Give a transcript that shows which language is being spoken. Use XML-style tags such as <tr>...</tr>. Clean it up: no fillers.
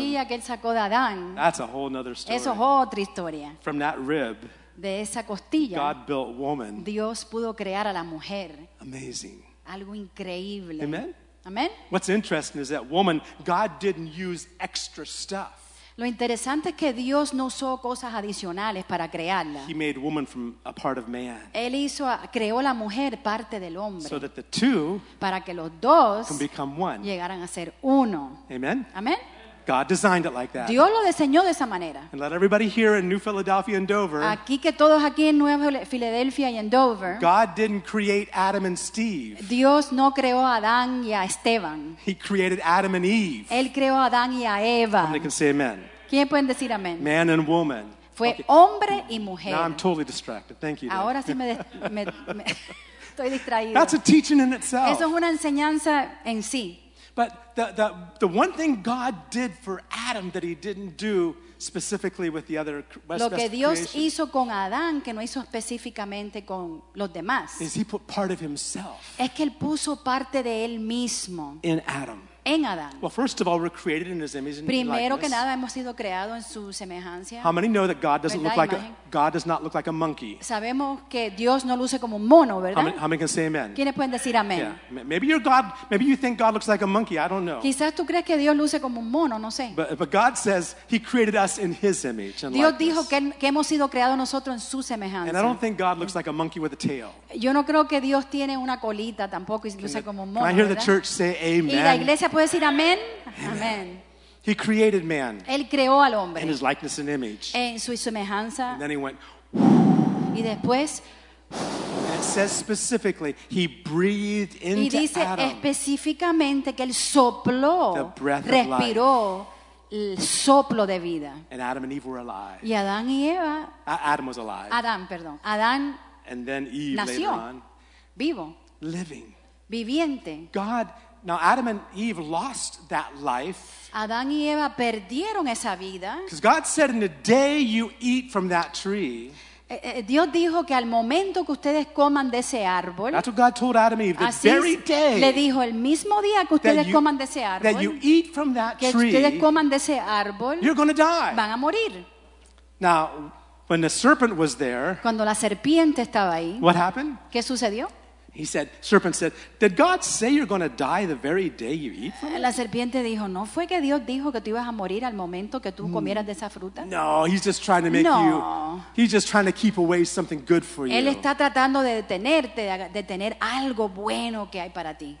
<es>La costilla que él sacó de Adán.</es> <en>That's a whole other story.</en> <es>Eso es otra historia.</es> <en>From that rib.</en> <es>De esa costilla.</es> <en>God built woman.</en> <es>Dios pudo crear a la mujer.</es> <en>Amazing.</en> <es>Algo increíble.</es> <en>Amen.</en> <es>Amen.</es> <en>What's interesting is that woman, God didn't use extra stuff.</en> <es>Lo interesante es que Dios no usó cosas adicionales para crearla.</es> <en>He made woman from a part of man.</en> <es>Él hizo, creó la mujer parte del hombre.</es> <en>So that the two</en> <es>para que los dos</es> <en>can become one.</en> <es>Llegaran a ser uno.</es> <en>Amen.</en> <es>Amen.</es> <en>God designed it like that.</en> <es>Dios lo diseñó de esa manera.</es> <en>And let everybody here in New Philadelphia and Dover.</en> <es>Aquí que todos aquí en Nueva Filadelfia y en Dover.</es> <en>God didn't create Adam and Steve.</en> <es>Dios no creó a Adán y a Esteban.</es> <en>He created Adam and Eve.</en> <es>Él creó a Adán y a Eva.</es> <en>And they can say amen.</en> <es>¿Quién pueden decir amén?</es> <en>Man and woman.</en> <es>Fue okay. Hombre y mujer.</es> <en>Now I'm totally distracted. Thank you.</en> <es>Ahora sí me estoy distraído.</es> <en>That's a teaching in itself.</en> <es>Eso es una enseñanza en sí.</es> <en>But the one thing God did for Adam that he didn't do specifically with the other</en> <es>lo que Dios hizo con Adán que no hizo específicamente con los demás</es> <en>is he put part of himself</en> <es>es que él puso parte de él mismo</es> <en>in Adam</en> <es>en Adán.</es> <en>Well, first of all, we're created in his image and</en> <es>primero que nada hemos sido creados en su semejanza.</es> <en>How many know that God doesn't look like God does not look like a monkey?</en> <es>Sabemos que Dios no luce como un mono, ¿verdad?</es> <en>How many can say amen?</en> <es>¿Quiénes pueden decir amén?</es> <en>Yeah. Maybe you think God looks like a monkey. I don't know.</en> <es>Quizás tú crees que Dios luce como un mono, no sé.</es> <en>But God says he created us in his image and</en> <es>Dios</es> <en>likeness.</en> <es>Dijo que hemos sido creados nosotros en su semejanza.</es> <en>And I don't think God looks like a monkey with a tail.</en> <es>Yo no creo que Dios tiene una colita tampoco y luce como un mono.</es> <en>Can I hear</en> <es>¿verdad?</es> <en>The church say amen?</en> <es>Y la iglesia puede decir amén. Amén.</es> <en>He created man.</en> <es>Él creó al hombre.</es> <en>In his likeness and image.</en> <es>En su semejanza.</es> <en>And then he went.</en> <es>Y después.</es> <en>And it says specifically, he breathed into Adam.</en> <es>Y dice específicamente que él sopló.</es> <en>The breath of</en> <es>respiró</es> <en>life.</en> <es>El soplo de vida.</es> <en>And Adam and Eve were alive.</en> <es>Y Adán y Eva.</es> <en>Adam was alive.</en> <es>Adán, perdón. Adán.</es> <en>And then Eve</en> <es>nació,</es> <en>later on.</en> <es>Vivo.</es> <en>Living.</en> <es>Viviente.</es> <en>God. Now Adam and Eve lost that life.</en> <es>Adán y Eva perdieron esa vida.</es> <en>Because God said, "In the day you eat from that tree."</en> <es>Dios dijo que al momento que ustedes coman de ese árbol.</es> <en>That's what God told Adam and Eve. The</en> <es>así</es> <en>very day.</en> <es>Le dijo el mismo día que ustedes</es> <en>you,</en> <es>coman de ese árbol.</es> <en>That you eat from that</en> <es>que</es> <en>tree.</en> <es>Que ustedes coman de ese árbol.</es> <en>You're going to die.</en> <es>Van a morir.</es> <en>Now, when the serpent was there.</en> <es>Cuando la serpiente estaba ahí.</es> <en>What happened?</en> <es>¿Qué sucedió?</es> <en>He said, serpent said, did God say you're going to die the very day you eat from it?</en> <es>La serpiente dijo, ¿no fue que Dios dijo que tú ibas a morir al momento que tú comieras de esa fruta?</es> <en>No, he's just trying to make you, he's just trying to keep away something good for you.</en> <es>Él está tratando de detenerte, de tener algo bueno que hay para ti.</es>